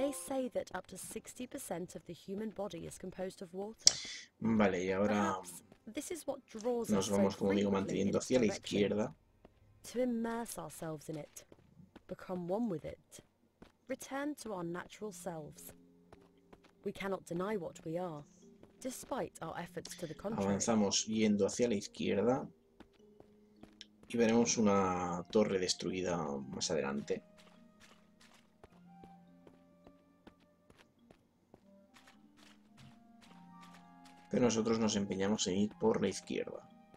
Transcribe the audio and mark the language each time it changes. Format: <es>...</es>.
<en>They say that up to 60% of the human body is composed of water.</en> <es>Vale, y ahora</es> <en>this is what draws</en> <es>nos vamos, como digo, manteniendo hacia la izquierda.</es> <en>To immerse ourselves in it, become one with it, return to our natural selves. We cannot deny what we are, despite our efforts to the contrary.</en> <es>Avanzamos yendo hacia la izquierda y veremos una torre destruida más adelante. Pero nosotros nos empeñamos en ir por la izquierda.</es>